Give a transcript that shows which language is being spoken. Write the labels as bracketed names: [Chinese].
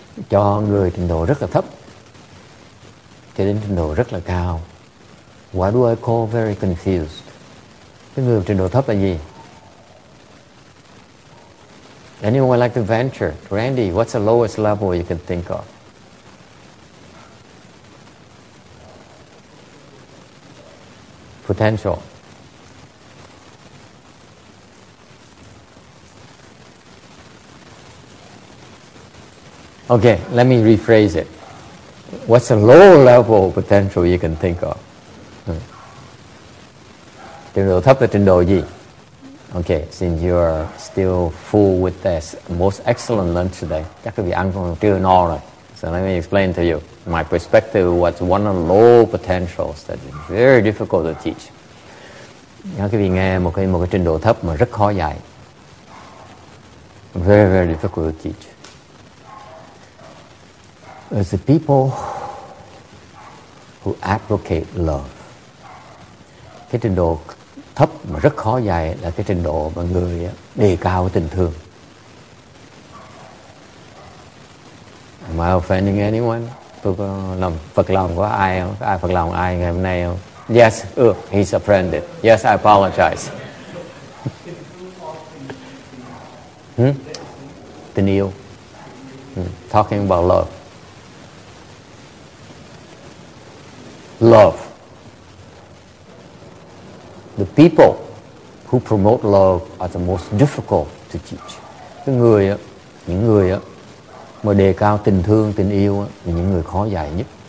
[Vietnamese] Cho người trình độ rất là thấp, cho đến trình độ rất là cao. [English] What do I call very confused? [Vietnamese] Cái người trình độ thấp là gì? [English] Anyone would like to venture? Randy, what's the lowest level you can think of? Potential. Okay, let me rephrase it. What's the low level potential you can think of? [Vietnamese] Trình độ thấp là trình độ gì? [English] Okay, since you are still full with this most excellent lunch today, [Vietnamese] chắc quý vị ăn còn chưa no rồi. [English] So let me explain to you my perspective. What's one of low potentials that is very difficult to teach? [Vietnamese] Nếu quý vị nghe một cái trình độ thấp mà rất khó dạy, [English] very very difficult to teach. It's the people who advocate love. [Vietnamese] Cái trình độ thấp mà rất khó dạy là cái trình độ mà người đề cao tình thương. [English] Am I offending anyone? [Vietnamese] Tôi có làm Phật lòng của ai không? Có ai Phật lòng ai ngày hôm nay không? [English] Yes, he's offended. Yes, I apologize. [Vietnamese] Tình yêu. [English] Talking about love. Love. The people who promote love are the most difficult to teach. [Vietnamese] Cái người á, những người á mà đề cao tình thương, tình yêu á là những người khó dạy nhất.